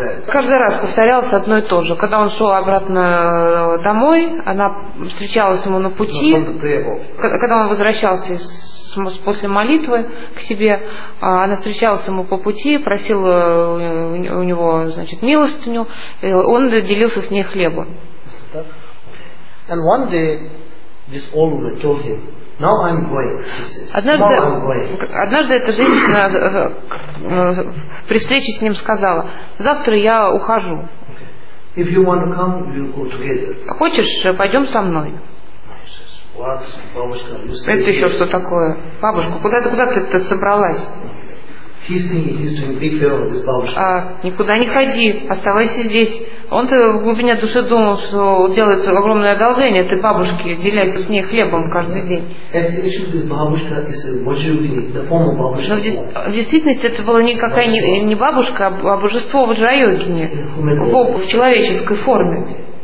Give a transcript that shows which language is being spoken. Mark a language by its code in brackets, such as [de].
[ru] Каждый раз повторялось одно и то же. Когда он шел обратно домой, она встречалась ему на пути. Когда он возвращался после молитвы к себе, она встречалась ему по пути, просила у него, значит, милостыню, и он делился с ней хлебом. [en] And one day this old woman told him, now I'm going. [ru] Однажды эта женщина при встрече с ним сказала: завтра я ухожу. [en] Okay. If you want to come, we'll go together. [ru] Хочешь, пойдем со мной. [en] What, бабушка, you stay [ru] Это еще что такое? Бабушка, куда ты-то собралась? [en] He's thinking he's doing big favor with this бабушка. [ru] Никуда не ходи, оставайся здесь. Он-то в глубине души думал, что делает огромное одолжение этой бабушке, делясь с ней хлебом каждый день. Но в действительности это была никакая не бабушка, а божество Ваджра-йогини, Бог в человеческой форме.